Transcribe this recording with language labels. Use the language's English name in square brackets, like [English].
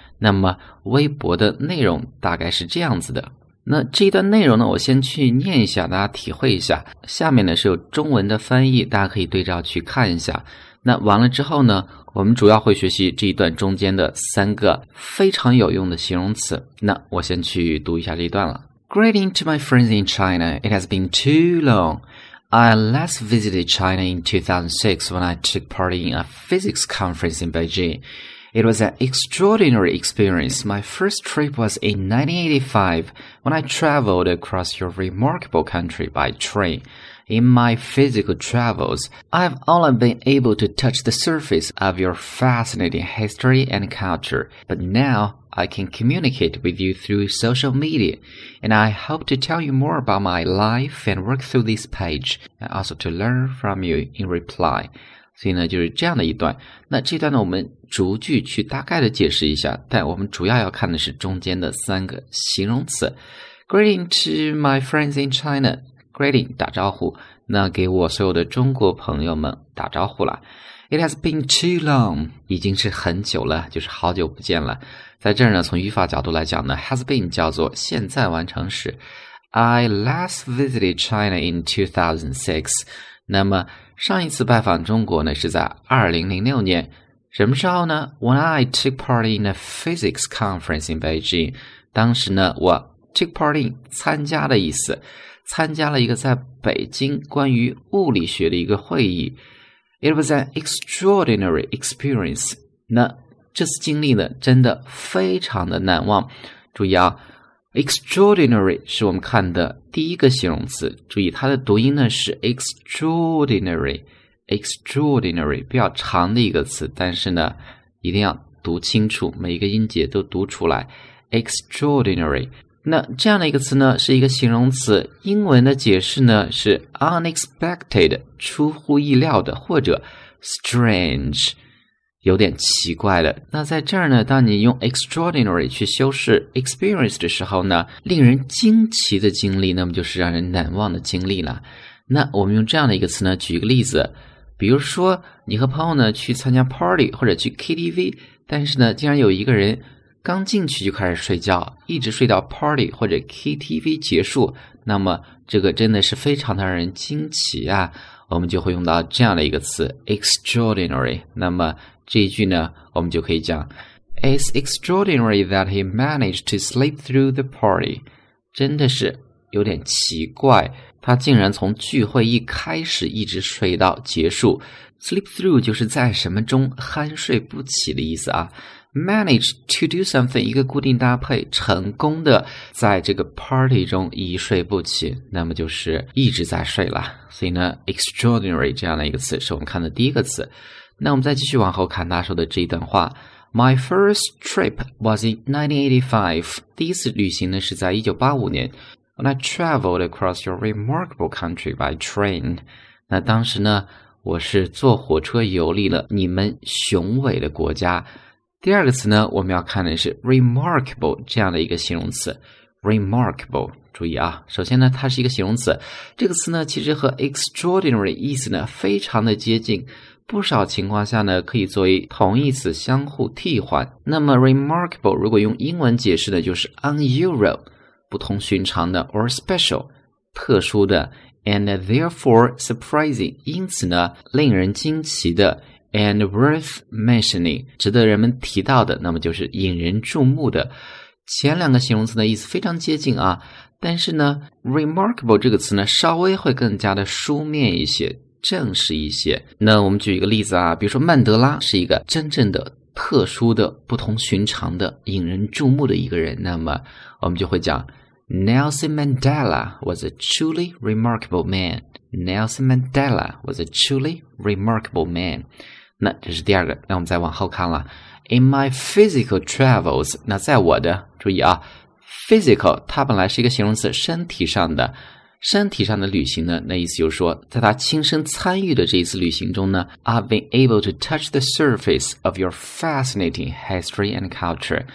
[Chinese] 那么微博的内容大概是这样子的，那这一段内容呢，我先去念一下，大家体会一下。下面呢是有中文的翻译，大家可以对照去看一下。那完了之后呢，我们主要会学习这一段中间的三个非常有用的形容词。那我先去读一下这一段了。 [English] Greetings to my friends in China. It has been too long. I last visited China in 2006 when I took part in a physics conference in Beijing. It was an extraordinary experience. My first trip was in 1985 when I traveled across your remarkable country by train. In my physical travels, I've only been able to touch the surface of your fascinating history and culture. But now I can communicate with you through social media, and I hope to tell you more about my life and work through this page, and also to learn from you in reply. [Chinese] 所以呢，就是这样的一段。那这段呢，我们逐句去大概的解释一下，但我们主要要看的是中间的三个形容词。 [English] Greeting to my friends in China. [Chinese] Greeting, 打招呼。那给我所有的中国朋友们打招呼了。 [English] It has been too long. [Chinese] 已经是很久了，就是好久不见了。在这儿呢，从语法角度来讲呢 ,has been 叫做现在完成时。 [English] I last visited China in 2006. [Chinese] 那么上一次拜访中国呢是在2006年。什么时候呢 [English] ?When I took part in a physics conference in Beijing. [Chinese] 当时呢我 [English] took part in [Chinese] 参加的意思。参加了一个在北京关于物理学的一个会议。 [English] It was an extraordinary experience. [Chinese] 那这次经历呢真的非常的难忘。注意啊 ,extraordinary 是我们看的第一个形容词，注意它的读音呢是 extraordinary 比较长的一个词，但是呢一定要读清楚，每一个音节都读出来 extraordinary。那这样的一个词呢是一个形容词，英文的解释呢是 unexpected 出乎意料的，或者 strange 有点奇怪的。那在这儿呢，当你用 extraordinary 去修饰 experience 的时候呢，令人惊奇的经历，那么就是让人难忘的经历了。那我们用这样的一个词呢举一个例子，比如说你和朋友呢去参加 party 或者去 KTV， 但是呢竟然有一个人刚进去就开始睡觉，一直睡到 party 或者 KTV 结束，那么这个真的是非常的让人惊奇啊。我们就会用到这样的一个词 extraordinary。那么这一句呢我们就可以讲 [English] It's extraordinary that he managed to sleep through the party. [Chinese] 真的是有点奇怪，他竟然从聚会一开始一直睡到结束。 Sleep through 就是在什么中酣睡不起的意思啊。 [English] Manage to do something [Chinese] 一个固定搭配，成功的在这个 party 中一睡不起，那么就是一直在睡了。所以呢 extraordinary 这样的一个词是我们看的第一个词。那我们再继续往后看他说的这一段话。 [English] My first trip was in 1985. [Chinese] 第一次旅行呢是在1985年。 [English] When I traveled across your remarkable country by train. [Chinese] 那当时呢我是坐火车游历了你们雄伟的国家。第二个词呢我们要看的是 remarkable 这样的一个形容词。 remarkable。注意啊，首先呢它是一个形容词。这个词呢其实和 extraordinary 意思呢非常的接近。不少情况下呢可以作为同义词相互替换。那么 remarkable 如果用英文解释呢就是 unusual, 不同寻常的 or special, 特殊的 [English] and therefore surprising, [Chinese] 因此呢令人惊奇的 [English] and worth mentioning, [Chinese] 值得人们提到的，那么就是引人注目的。前两个形容词的意思非常接近啊，但是呢 remarkable 这个词呢稍微会更加的书面一些，正式一些。那我们举一个例子啊，比如说曼德拉是一个真正的特殊的不同寻常的引人注目的一个人，那么我们就会讲 [English] Nelson Mandela was a truly remarkable man. Nelson Mandela was a truly remarkable man. [Chinese] 那这是第二个，那我们再往后看了。 [English] In my physical travels, [Chinese] 那在我的，注意啊， physical 它本来是一个形容词，身体上的，身体上的旅行呢，那意思就是说在他亲身参与的这一次旅行中呢， [English] I've been able to touch the surface of your fascinating history and culture.